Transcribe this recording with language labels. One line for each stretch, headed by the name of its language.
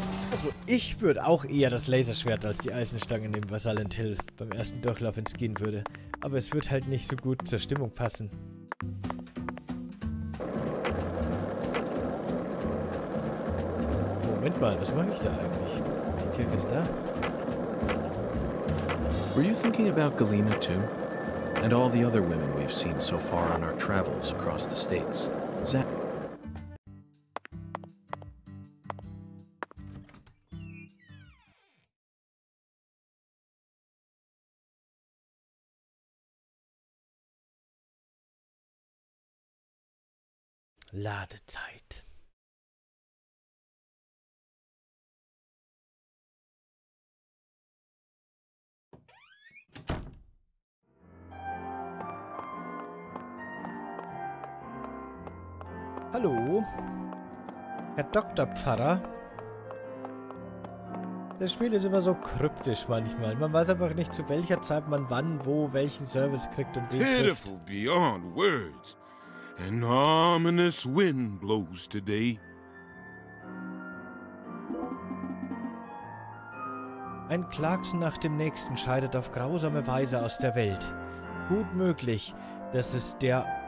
German: Also, ich würde auch eher das Laserschwert als die Eisenstange nehmen, was Silent Hill beim ersten Durchlauf entgehen würde. Aber es wird halt nicht so gut zur Stimmung passen. Moment mal, was mache ich da eigentlich? Die Kirche ist da.
English: Were you thinking about Galena too? And all the other women we've seen so far on our travels across the states.
German: Ladezeit. Hallo, Herr Dr. Pfarrer. Das Spiel ist immer so kryptisch manchmal. Man weiß einfach nicht, zu welcher Zeit man wann, wo, welchen Service kriegt und wen trifft.
English: Pitiful beyond words. An ominous wind blows today.
German: Ein Klagen nach dem nächsten scheidet auf grausame Weise aus der Welt. Gut möglich, dass es der...